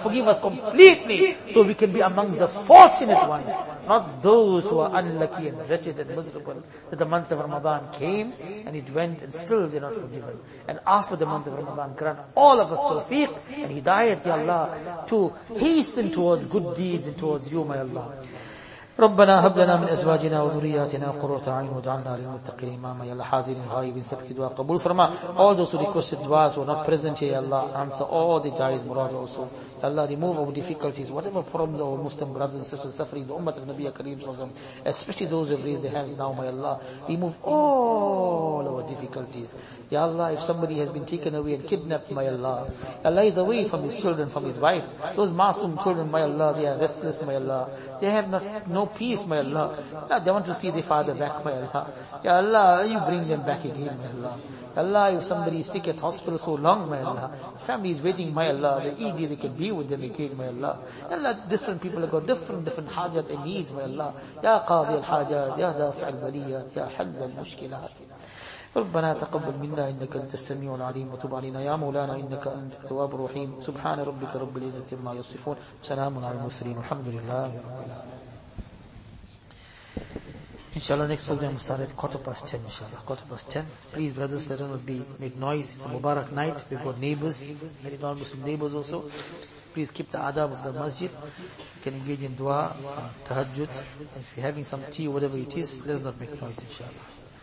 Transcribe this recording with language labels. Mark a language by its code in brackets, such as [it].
[en] Forgive us completely so we can be amongst the fortunate ones, not those who are unlucky and wretched and miserable. That the month of Ramadan came and it went and still they're not forgiven. And after the month of Ramadan, grant all of us tawfiq and hidayat, ya Allah, to hasten towards good deeds and towards you, may Allah. [ar] ربنا هب لنا من ازواجنا وذرياتنا قرة عين واجعلنا للمتقين اماما يا [ur] الحاضرين الغائبين سبك دعاء قبول فرما [en] all those who requested duas were not present here, Allah, answer all the jais murad also. Allah, remove our difficulties, whatever problems our Muslim brothers and sisters suffering, the ummah of Nabiya Kareem sallallahu alaihi wasallam, especially those who have raised their hands now, may Allah, remove all our difficulties. Ya Allah, if somebody has been taken away and kidnapped, may Allah, Allah is away from his children, from his wife. Those masoom children, may Allah, they are restless, may Allah. They have no peace, may Allah. Allah, they want to see their father back, may Allah. Ya Allah, you bring them back again, may Allah. Allah, if somebody is sick at hospital so long, may Allah. Family is waiting, may Allah. The ED, they can be with them again, may Allah. Allah, different people have got different hajat and needs, may Allah. Ya Qadhi al-Hajat, Ya Dafi al-Baliyat, Ya Hal al-Mushkilat. [ar] ربنا تقبل منا إنك أنت السميع العليم وتب علينا يا مولانا إنك أنت التواب الرحيم سبحان ربك رب العزة عما يصفون سلام على المرسلين الحمد لله رب العالمين. [en] Inshallah, next program will start at 10:15. Inshallah, 10:15. Please, brothers, let us not be make noise. It's a Mubarak night. We've got neighbors, many non-Muslim neighbors also. Please keep the adab of the masjid. You can engage in dua, tahajjud. If you're having some tea, whatever it is, let's not make noise. Inshallah.